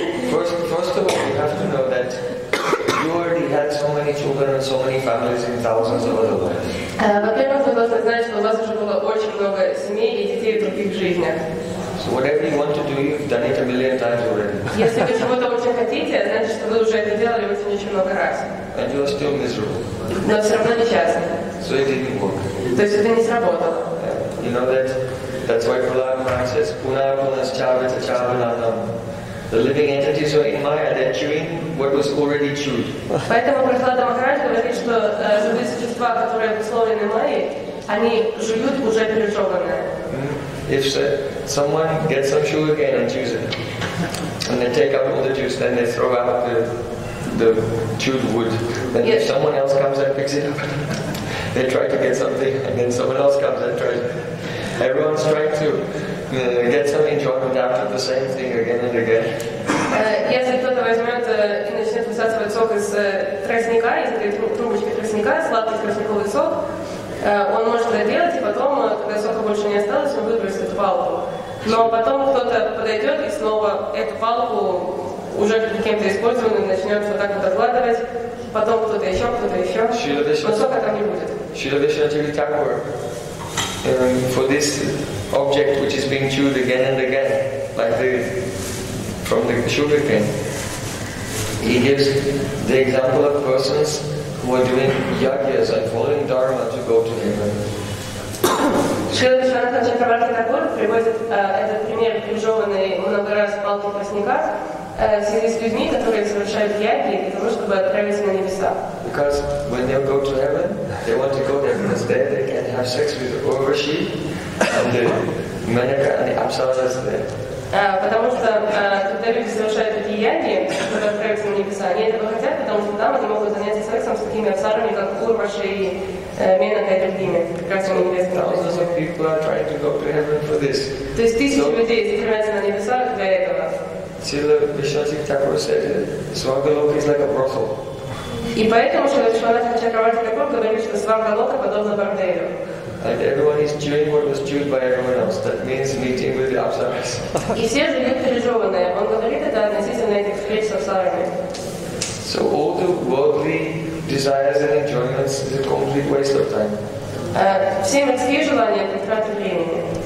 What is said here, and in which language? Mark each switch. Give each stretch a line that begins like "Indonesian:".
English: First of all, you have to know that you already had so many children and so many families in thousands of other lives.
Russian: Во-первых, вы должны знать, что у вас уже было очень много семей и детей в других жизнях.
English: So whatever you want to do, you've done it a million times already.
Russian: Если вы чего-то очень хотите, значит, что вы уже это делали очень много раз.
English: And you're still miserable.
Russian: Но все равно несчастны.
English: So it didn't work.
Russian: То есть это не сработало.
English: Yeah. You know that? That's why Prabhupada says, Punarpunas Chavata Chavananam. The living entities were in Maya, they're chewing what was already chewed.
Russian: Поэтому Прохлада Махарадж говорит, что живые существа, которые обусловлены Майей, они жуют уже пережеванное.
English: If someone gets some sugar cane and chews it, and they take up all the juice, then they throw out the chewed wood. Then yes. If someone else comes and picks it up, they try to get something, and then someone else comes and tries. Everyone's trying to get some enjoyment out of the same thing again and again.
Russian: Если кто-то возьмет и начнет высасывать сок из тростника, из трубочки тростника, сладкий тростниковый сок, он может это делать, и потом, когда сока больше не осталось, он выбросит эту палку. Но потом кто-то подойдет и снова эту палку уже кем-то использованным начнет вот так вот откладывать, потом кто-то еще, но сока там не будет.
English: Шрила Вишнуачарья Тхакур, for this object which is being chewed again and again, like from the sugar cane, he gives the example of persons who are doing yajnas and following dharma to go to heaven.
Russian: Шрила Вишнуачарья Тхакур приводит этот пример, пережеванный много раз в палке тростника, в связи с людьми, которые совершают яги для того, чтобы отправиться на небеса.
English: Because when they go to heaven, they want to go there because there they can have sex with the Urvashi and the Manaka and the Apsaras there.
Russian: Потому что когда люди совершают такие яги, чтобы отправиться на небеса, они этого хотят, потому что там они могут заняться сексом с такими Апсарами, как Урваши и Менака и другими.
English: Thousands of people are trying to go to heaven for this.
Russian: То есть тысячи людей собираются на небеса для этого.
English: Srila Vishwanatha Thakur said, Svargaloka is like a brothel.
Russian: И поэтому, что Vishwanatha Chakravarti Thakur говорит, что Svargaloka подобно бордею.
English: And everyone is chewing what was chewed by everyone else. That means meeting with the apsaras.
Russian: И все жуют пережеванное. Он говорит это относительно этих встреч с апсарами.
English: So all the worldly desires and enjoyments is a complete waste of time.
Russian: Все мирские желания это трата времени.